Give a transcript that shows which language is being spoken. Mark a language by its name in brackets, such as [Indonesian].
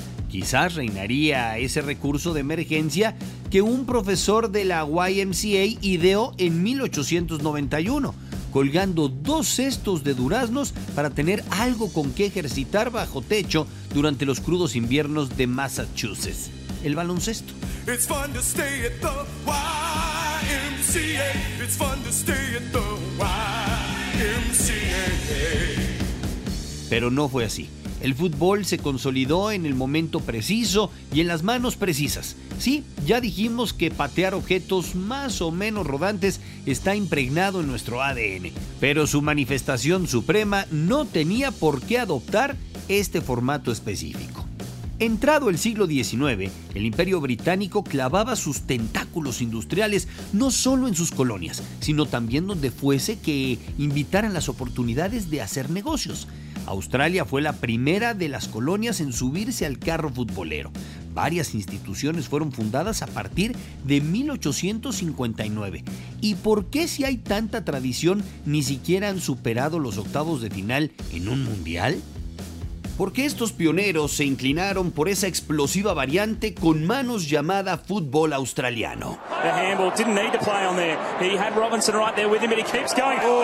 [Spanish] Quizás reinaría ese recurso de emergencia que un profesor de la YMCA ideó en 1891, colgando dos cestos de duraznos para tener algo con que ejercitar bajo techo durante los crudos inviernos de Massachusetts. El baloncesto. [English] It's fun to stay at the YMCA. It's fun to stay at the YMCA. [Spanish] Pero no fue así. El fútbol se consolidó en el momento preciso y en las manos precisas. Sí, ya dijimos que patear objetos más o menos rodantes está impregnado en nuestro ADN, pero su manifestación suprema no tenía por qué adoptar este formato específico. Entrado el siglo XIX, el Imperio Británico clavaba sus tentáculos industriales no solo en sus colonias, sino también donde fuese que invitaran las oportunidades de hacer negocios. Australia fue la primera de las colonias en subirse al carro futbolero. Varias instituciones fueron fundadas a partir de 1859. ¿Y por qué si hay tanta tradición ni siquiera han superado los octavos de final en un mundial? Porque estos pioneros se inclinaron por esa explosiva variante con manos llamada fútbol australiano. [English] The handball didn't need to play on there. He had Robinson right there with him, but he keeps going.